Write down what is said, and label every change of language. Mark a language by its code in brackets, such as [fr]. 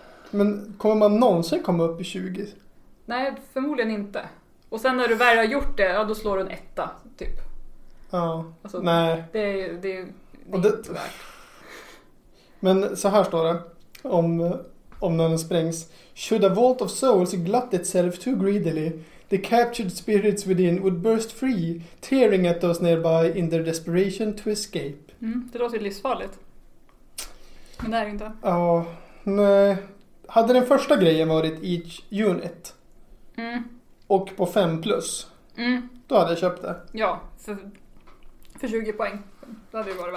[sv] Men kommer man någonsin komma upp i 20? Nej, förmodligen inte. Och sen när du väl har gjort det, ja, då slår du en etta, typ. Ja, alltså, nej. Det är inte värt. Men så här står det, om när den sprängs. [en] Should a vault of souls glut itself too greedily, the captured spirits within would burst free, tearing at those nearby in their desperation to escape. [sv] Mm, det låter livsfarligt. Men det är inte. Ja, nej. Hade den första grejen varit [en] each unit, [sv] mm, och på 5 plus, mm, då hade jag köpt det. Ja, för 20 poäng. Då hade det varit.